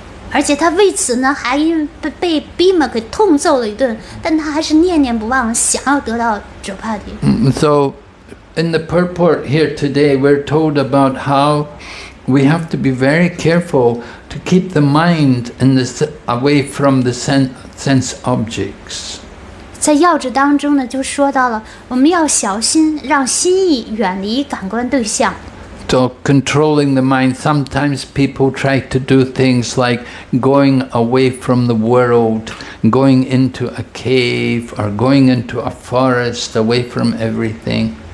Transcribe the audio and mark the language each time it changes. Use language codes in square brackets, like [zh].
[zh] 而且他为此呢，还被Bhima给痛揍了一顿，但他还是念念不忘，想要得到Draupadi。 [en] So, in the purport here today, we're told about how we have to be very careful to keep the mind in this away from the sense objects. [zh] 在要旨当中呢，就说到了，我们要小心，让心意远离感官对象。 [en] So controlling the mind, sometimes people try to do things like going away from the world, going into a cave or going into a forest, away from everything.